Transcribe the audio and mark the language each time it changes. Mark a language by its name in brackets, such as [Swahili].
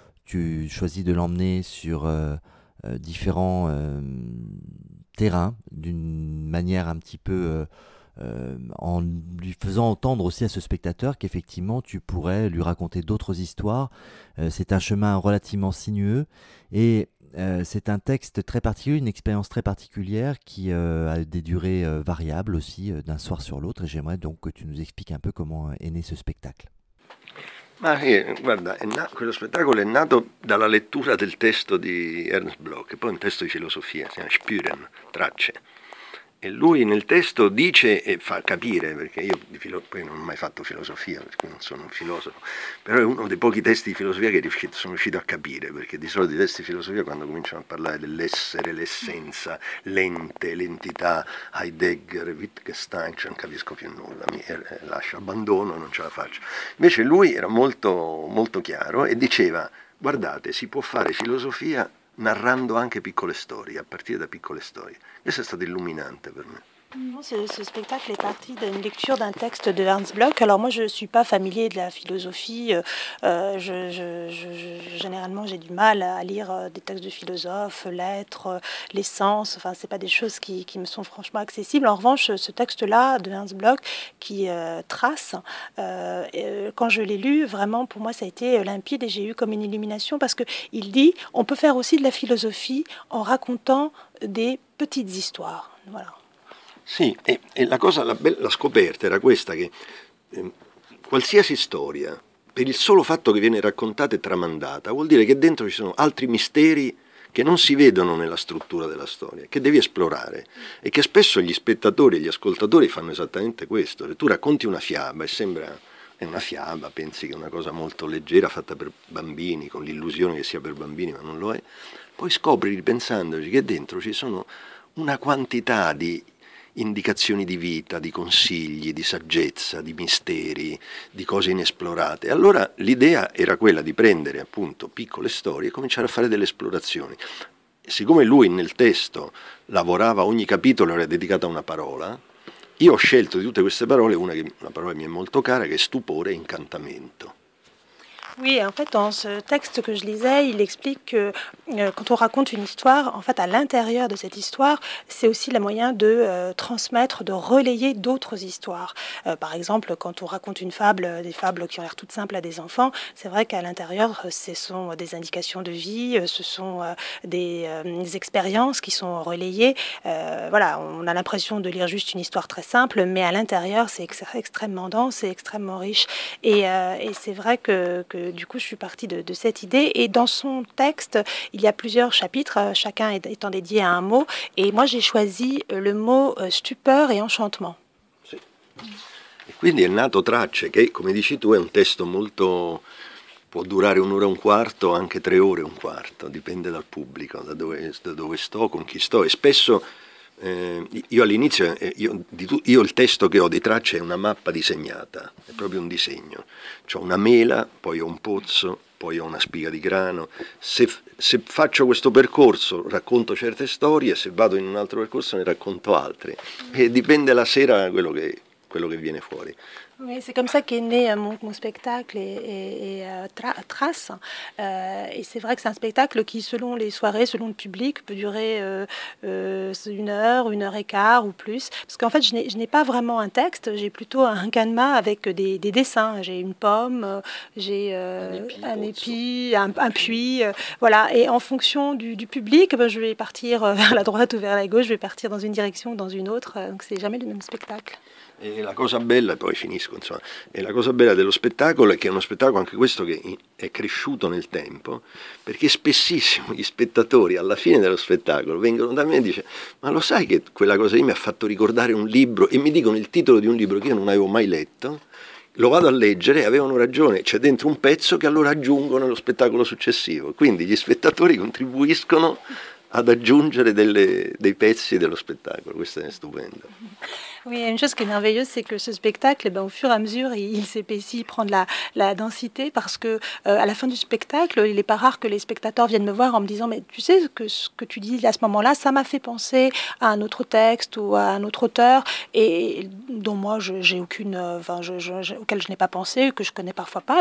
[French] Tu choisis de l'emmener sur différents terrains d'une manière un petit peu en lui faisant entendre aussi à ce spectateur qu'effectivement tu pourrais lui raconter d'autres histoires. C'est un chemin relativement sinueux et c'est un texte très particulier, une expérience très particulière qui a des durées variables aussi d'un soir sur l'autre. Et j'aimerais donc que tu nous expliques un peu comment est né ce spectacle. [Italian] Guarda, questo spettacolo è nato dalla lettura del testo di Ernst Bloch, poi un testo di filosofia, si chiama Spuren, tracce. E lui nel testo dice e fa capire, perché io poi non ho mai fatto filosofia, perché non sono un filosofo, però è uno dei pochi testi di filosofia che sono riuscito a capire, perché di solito i testi di filosofia quando cominciano a parlare dell'essere, l'essenza, l'ente, l'entità, Heidegger, Wittgenstein, cioè non capisco più nulla, mi lascio, abbandono, non ce la faccio. Invece lui era molto, molto chiaro e diceva, guardate, si può fare filosofia narrando anche piccole storie, a partire da piccole storie. Questo è stato illuminante per me. [French] Ce spectacle est parti d'une lecture d'un texte de Ernst Bloch. Alors moi, je ne suis pas familier de la philosophie. Généralement, j'ai du mal à lire des textes de philosophes, lettres, l'essence. Enfin, ce n'est pas des choses qui me sont franchement accessibles. En revanche, ce texte-là de Ernst Bloch, qui trace, quand je l'ai lu, vraiment, pour moi, ça a été limpide et j'ai eu comme une illumination parce qu'il dit on peut faire aussi de la philosophie en racontant des petites histoires. Voilà. [Italian] Sì, e la cosa, la scoperta era questa, che qualsiasi storia, per il solo fatto che viene raccontata e tramandata, vuol dire che dentro ci sono altri misteri che non si vedono nella struttura della storia, che devi esplorare, e che spesso gli spettatori e gli ascoltatori fanno esattamente questo. Tu racconti una fiaba e sembra, è una fiaba, pensi che è una cosa molto leggera, fatta per bambini, con l'illusione che sia per bambini, ma non lo è. Poi scopri, ripensandoci, che dentro ci sono una quantità di indicazioni di vita, di consigli, di saggezza, di misteri, di cose inesplorate. Allora l'idea era quella di prendere appunto piccole storie e cominciare a fare delle esplorazioni. Siccome lui nel testo lavorava, ogni capitolo era dedicato a una parola, io ho scelto di tutte queste parole una parola che mi è molto cara, che è stupore e incantamento. [French] Oui, en fait, dans ce texte que je lisais, il explique que quand on raconte une histoire, en fait, à l'intérieur de cette histoire, c'est aussi le moyen de transmettre, de relayer d'autres histoires. Par exemple, quand on raconte une fable, des fables qui ont l'air toutes simples à des enfants, c'est vrai qu'à l'intérieur, ce sont des indications de vie, ce sont des expériences qui sont relayées. Voilà, on a l'impression de lire juste une histoire très simple, mais à l'intérieur, c'est extrêmement dense et extrêmement riche. Et c'est vrai que du coup, je suis partie de cette idée. Et dans son texte, il y a plusieurs chapitres, chacun étant dédié à un mot. Et moi, j'ai choisi le mot stupeur et enchantement. [Italian] Sì. E quindi è nato Tracce, che, come dici tu, è un testo molto, può durare un'ora e un quarto, anche tre ore e un quarto, dipende dal pubblico, da dove sto, con chi sto. E spesso, io all'inizio, io il testo che ho di Tracce è una mappa disegnata, è proprio un disegno. C'ho una mela, poi ho un pozzo, poi ho una spiga di grano. Se faccio questo percorso, racconto certe storie, se vado in un altro percorso ne racconto altre. E dipende la sera quello che viene fuori. [French] Oui, c'est comme ça qu'est né mon spectacle et Trace. Et c'est vrai que c'est un spectacle qui, selon les soirées, selon le public, peut durer une heure et quart ou plus. Parce qu'en fait, je n'ai pas vraiment un texte, j'ai plutôt un canevas avec des dessins. J'ai une pomme, j'ai un épi, un puits. Voilà. Et en fonction du public, ben, je vais partir vers la droite ou vers la gauche, je vais partir dans une direction ou dans une autre. Donc, c'est jamais le même spectacle. [Italian] E la cosa bella, poi finisco, insomma, e la cosa bella dello spettacolo è che è uno spettacolo, anche questo, che è cresciuto nel tempo, perché spessissimo gli spettatori alla fine dello spettacolo vengono da me e dicono: ma lo sai che quella cosa lì mi ha fatto ricordare un libro, e mi dicono il titolo di un libro che io non avevo mai letto, lo vado a leggere e avevano ragione, c'è dentro un pezzo che allora aggiungo nello spettacolo successivo. Quindi gli spettatori contribuiscono ad aggiungere dei pezzi dello spettacolo, questo è stupendo. [French] Oui, une chose qui est merveilleuse, c'est que ce spectacle, ben, au fur et à mesure, il s'épaissit, il prend de la densité, parce que à la fin du spectacle, il n'est pas rare que les spectateurs viennent me voir en me disant: mais tu sais, ce que tu dis à ce moment-là, ça m'a fait penser à un autre texte ou à un autre auteur, et dont moi, auquel je n'ai pas pensé, que je connais parfois pas.